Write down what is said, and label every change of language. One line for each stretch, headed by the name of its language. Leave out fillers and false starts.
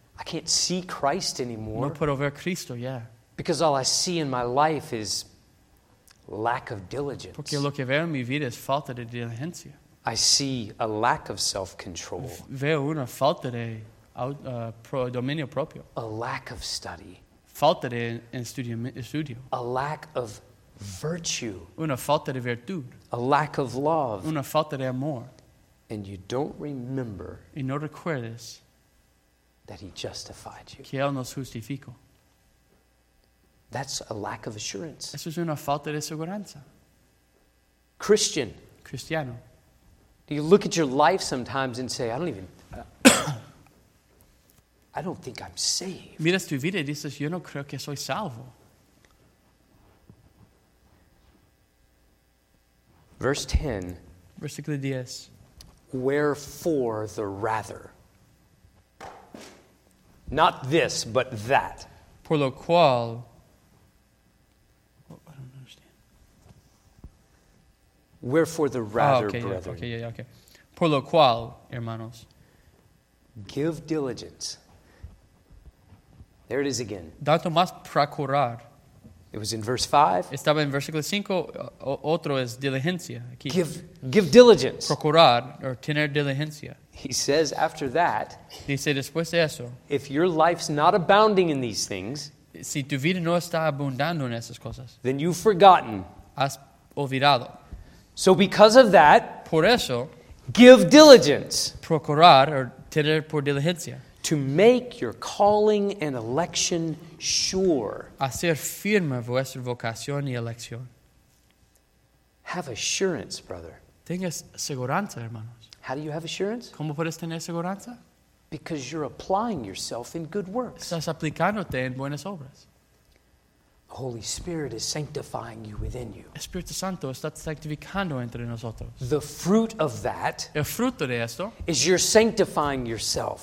English: I can't see Christ anymore.
Spanish: No puedo ver Cristo ya.
English: Because all I see in my life is lack of diligence.
Spanish: Porque lo que veo en mi vida es falta de diligencia.
English: I see a lack of self-control.
Spanish: Veo una falta de dominio propio.
English: A lack of study.
Spanish: Falta de estudio.
English: A lack of virtue.
Spanish: Una falta de virtud.
English: A lack of love.
Spanish: Una falta de amor.
English: And you don't remember.
Spanish: Y no recuerdas.
English: That he justified you.
Spanish: Que él nos justificó.
English: That's a lack of assurance.
Spanish: Eso es una falta de seguridad.
English: Christian.
Spanish: Cristiano.
English: Do you look at your life sometimes and say, I don't think I'm saved.
Spanish: Miras tu vida y dices, yo no creo que soy salvo.
English: Verse 10.
Spanish: Versículo 10.
English: Wherefore the rather. Not this, but that.
Spanish: Por lo cual...
English: Wherefore the rather, brethren.
Spanish: Por lo cual, hermanos.
English: Give diligence. There it is again.
Spanish: Dato más procurar.
English: It was in verse 5.
Spanish: Estaba en versículo 5. Otro es diligencia. Aquí.
English: Give diligence.
Spanish: Procurar, or tener diligencia.
English: He says after that.
Spanish: Dice después de eso.
English: If your life's not abounding in these things.
Spanish: Si tu vida no está abundando en esas cosas.
English: Then you've forgotten.
Spanish: Has olvidado.
English: So because of that,
Spanish: por eso,
English: give diligence,
Spanish: procurar or tener por diligencia,
English: to make your calling and election sure,
Spanish: hacer firme vuestra vocación y elección.
English: Have assurance, brother.
Spanish: Tengas seguridad, hermanos.
English: How do you have assurance?
Spanish: ¿Cómo puedes tener seguridad?
English: Because you're applying yourself in good works.
Spanish: Estás aplicándote en buenas obras.
English: The Holy Spirit is sanctifying you within you.
Spanish: Espíritu Santo está santificando entre nosotros.
English: The fruit of that,
Spanish: el fruto de esto,
English: is you're sanctifying yourself.